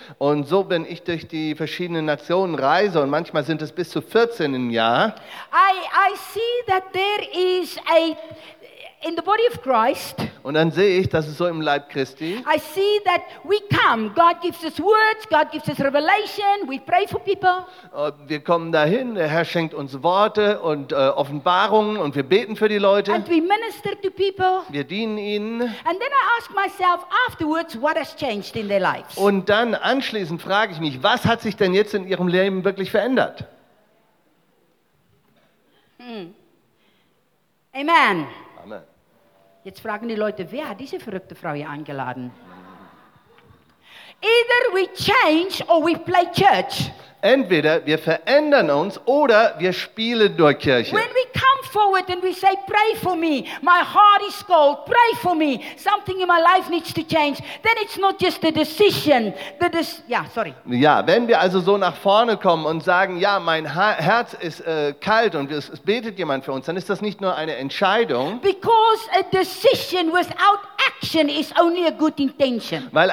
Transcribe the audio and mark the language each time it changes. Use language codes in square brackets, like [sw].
[de] Und so bin ich durch die verschiedenen Nationen reise und manchmal sind es bis zu 14 im Jahr. [en] I see that there is a in the body of Christ. [de] Und dann sehe ich, dass es so im Leib Christi. [en] I see that we come. God gives us words, God gives us revelation, we pray for people. [de] Wir kommen dahin, der Herr schenkt uns Worte und Offenbarungen und wir beten für die Leute. [en] And we minister to people. [de] Wir dienen ihnen. [en] And then I ask myself afterwards what has changed in their lives. [de] Und dann anschließend frage ich mich, was hat sich denn jetzt in ihrem Leben wirklich verändert? [en] Amen. [de] Jetzt fragen die Leute, wer hat diese verrückte Frau hier eingeladen? [en] Either we change or we play church. [de] Entweder wir verändern uns oder wir spielen nur Kirche. [en] When we come forward and we say, pray for me, my heart is cold, pray for me, something in my life needs to change, then it's not just a decision. [de] Ja, wenn wir also so nach vorne kommen und sagen, ja, mein Herz ist kalt und es betet jemand für uns, dann ist das nicht nur eine Entscheidung. [en] Because a decision without action is only a good intention.